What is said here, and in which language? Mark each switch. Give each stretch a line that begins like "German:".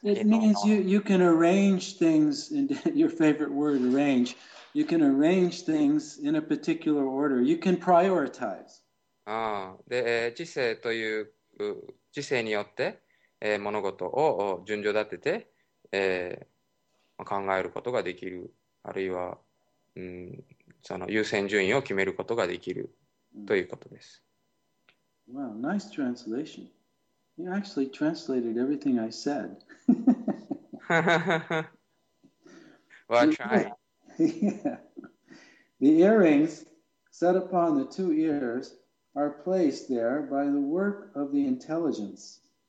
English: It means you can arrange things in your favorite word, arrange. You can arrange things in a particular order. You can prioritize.
Japanese: ああ、で、知性という知性によって、物事を順序立てて、考えることができる。あるいは、その優先順位を決めることができるということです。
English: Wow, nice translation. You actually translated everything I said. Well, I tried. Yeah. The earrings set upon the two ears are placed there by the work of the intelligence.